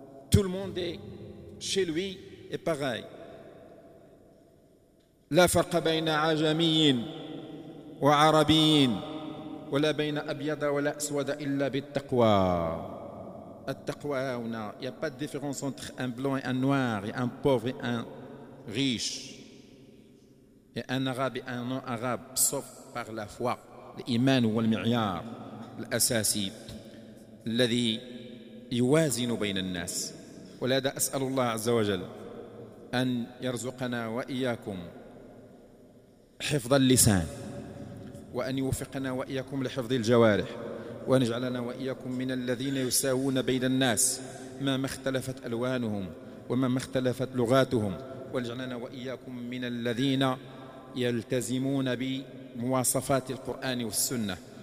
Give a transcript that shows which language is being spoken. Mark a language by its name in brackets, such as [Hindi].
[French] Tout le monde est chez lui est pareil. [Arabic] لا فرق بين عجمي وعربي ولا بين أبيض ولا أسود إلا بالتقوى. التقوى هنا، [French] il n'y a pas de différence entre un blanc et un noir, et un pauvre et un riche, et un arabe et un non arabe, sauf par la foi. [Arabic] الإيمان هو المعيار الأساسي الذي يوازن بين الناس. ولهذا أسأل الله عز وجل أن يرزقنا وإياكم حفظ اللسان، وأن يوفقنا وإياكم لحفظ الجوارح، وأن يجعلنا وإياكم من الذين يساوون بين الناس ما اختلفت ألوانهم وما اختلفت لغاتهم، وأن يجعلنا وإياكم من الذين يلتزمون بمواصفات القرآن والسنة.